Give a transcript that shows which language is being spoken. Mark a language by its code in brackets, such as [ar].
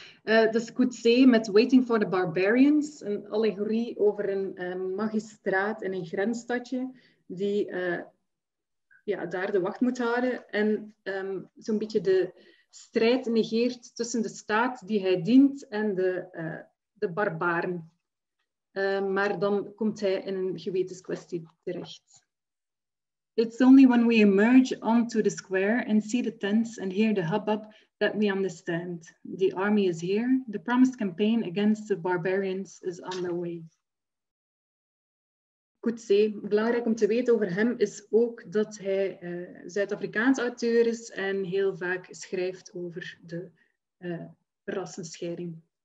[nl] De Scoutzee met Waiting for the Barbarians, een allegorie over een magistraat in een grensstadje die daar de wacht moet houden en zo'n beetje de strijd negeert tussen de staat die hij dient en de barbaren. Maar dan komt hij in een gewetenskwestie terecht. [en] It's only when we emerge onto the square and see the tents and hear the hubbub that we understand. The army is here. The promised campaign against the barbarians is on the way. [nl] Coetzee, belangrijk om te weten over hem is ook dat hij Zuid-Afrikaans auteur is en heel vaak schrijft over de rassenscheiding.